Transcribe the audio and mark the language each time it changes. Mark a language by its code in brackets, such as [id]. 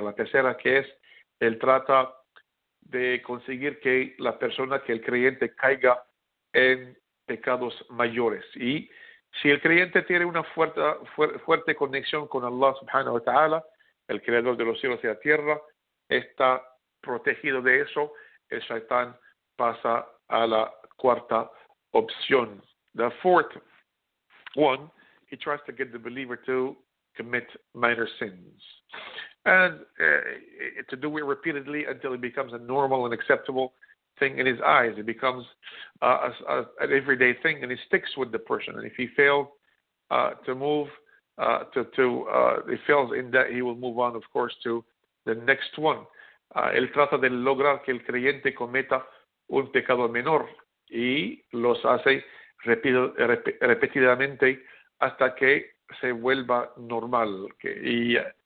[es] La tercera, que es, él trata de conseguir que la persona, que el creyente, caiga en pecados mayores. Y si el creyente tiene una fuerte conexión con Allah subhanahu wa ta'ala, el creador de los cielos y la tierra, está protegido de eso, el shaitán pasa a la cuarta opción. [en] The fourth one, he tries to get the believer to commit minor sins. And to do it repeatedly until it becomes a normal and acceptable thing in his eyes. It becomes an everyday thing, and it sticks with the person. And if he fails to move, he fails in that, he will move on, of course, to the next one. [es] Él trata de lograr que el creyente cometa un pecado menor y los hace repetidamente hasta que se vuelva normal, que